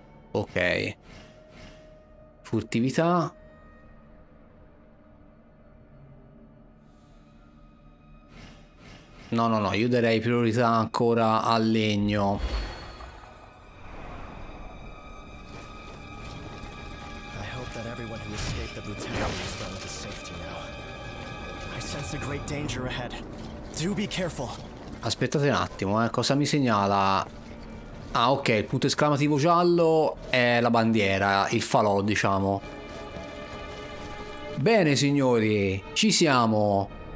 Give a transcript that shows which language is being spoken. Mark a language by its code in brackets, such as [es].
[it] Ok. Furtività. No, no, no, io darei priorità ancora al legno. [en] I hope that everyone who escaped the battalion is well into safety now. I sense a great danger ahead. Do be careful. [it] Aspettate un attimo, cosa mi segnala? Ah, ok, il punto esclamativo giallo è la bandiera, il falò, diciamo. Bene, signori, ci siamo.